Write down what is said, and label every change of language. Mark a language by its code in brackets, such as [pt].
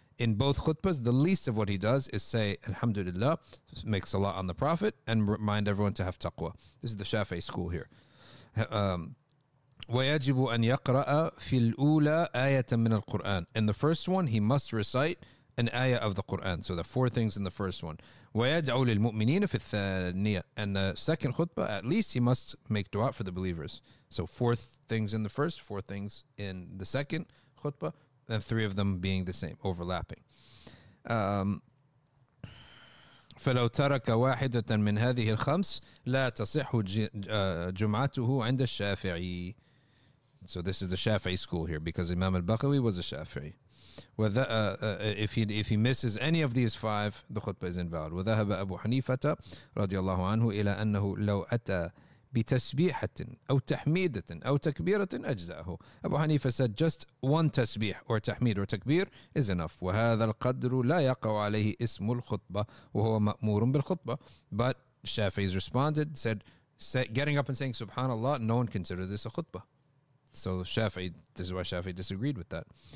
[en] In both khutbas, the least of what he does is say Alhamdulillah, make salah on the Prophet, and remind everyone to have taqwa. This is the Shafi'i school here. [ar] ويجب أن يقرأ في الأولى آية من القرآن. [en] In the first one, he must recite an ayah of the Quran. So the four things in the first one. [ar] وَيَدْعُوا لِلْمُؤْمِنِينَ فِي الثَّانِيَةِ. [en] And the second khutbah, at least he must make dua for the believers. So four things in the first, four things in the second khutbah, and three of them being the same, overlapping. [ar] فَلَوْ تَرَكَ وَاحِدَةً مِنْ هَذِهِ الْخَمْسِ لَا تَصِحُ جُمْعَتُهُ عِنْدَ الشَّافِعِي. [en] So this is the Shafi'i school here, because Imam al-Bakhawi was a Shafi'i. If he misses any of these five, the khutbah is invalid. [ar] وذهب أبو حنيفة رضي الله عنه إلى أنه لو أتى بتسبيحة أو تحميدة أو تكبيرة أجزأه. [en] أبو حنيفة said just one تسبيح or تحميد or تكبير is enough. [ar] وهذا القدر لا يقع عليه اسم الخطبة وهو مأمور بالخطبة. [en] But Shafi'i responded, said, getting up and saying Subhanallah, no one considers this a khutbah. So Shafi'i, this is why Shafi'i disagreed with that.